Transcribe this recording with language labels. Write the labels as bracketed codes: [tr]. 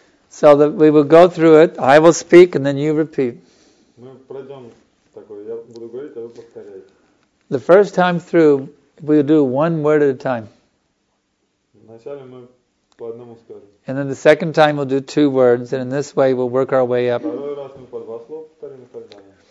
[en] So that we will go through it, I will speak and then you repeat. [ru] Мы пройдем такое. Я буду говорить, а вы повторяете. [en] The first time through, we'll do one word at a time. [ru] Вначале мы по одному скажем. [en] And then the second time we'll do two words, and in this way we'll work our way up. [ru] Второй раз мы по два слова повторим и так далее.